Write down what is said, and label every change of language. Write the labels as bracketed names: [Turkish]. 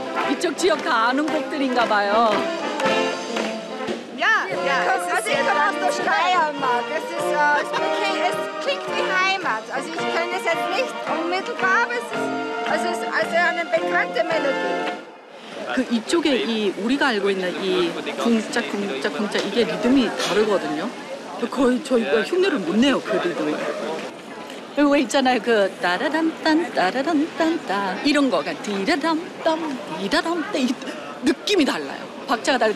[Korean] 이쪽 지역 다 아는 곡들인가 봐요. 야, 야, 사실 그라스도 시카야 엄마. [English] This is [German] klingt wie Heimat. Also ich kenne es jetzt nicht unmittelbar, aber es ist also eine bekannte Melodie. [Korean] 그 이쪽에 이 우리가 알고 있는 이 궁짝 궁짝 궁짝 이게 리듬이 다르거든요. 거의 저 이거 흉내를 못 내요 그 리듬이. 그리고 있잖아요 그 따라담딴 따라담딴따 이런 거가 디라담땀 디라담땀 이 느낌이 달라요. 박자가 달라.